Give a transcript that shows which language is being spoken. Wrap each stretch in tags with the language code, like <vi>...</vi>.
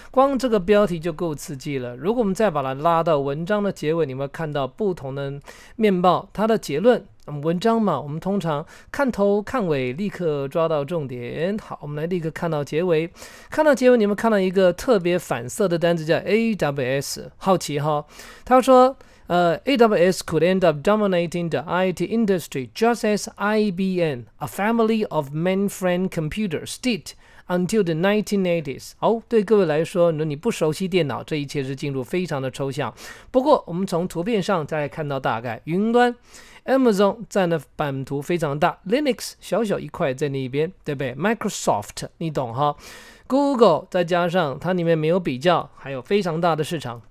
<zh>光这个标题就够刺激了。如果我们再把它拉到文章的结尾，你会看到不同的面貌。它的结论，文章嘛，我们通常看头看尾，立刻抓到重点。好，我们来立刻看到结尾。看到结尾，你们看到一个特别反色的单字叫 AWS， 好奇哈。他说。</zh> <en>AWS could end up dominating the IT industry just as IBM, a family of mainframe computers, did until the 1980s.</en> <zh>好，对各位来说，如果你不熟悉电脑，这一切是进入非常的抽象。不过，我们从图片上再看到大概云端 ，Amazon 占的版图非常大 ，Linux 小小一块在那边，对不对 ？Microsoft， 你懂哈？ Google 再加上它里面没有比较，还有非常大的市场。</zh>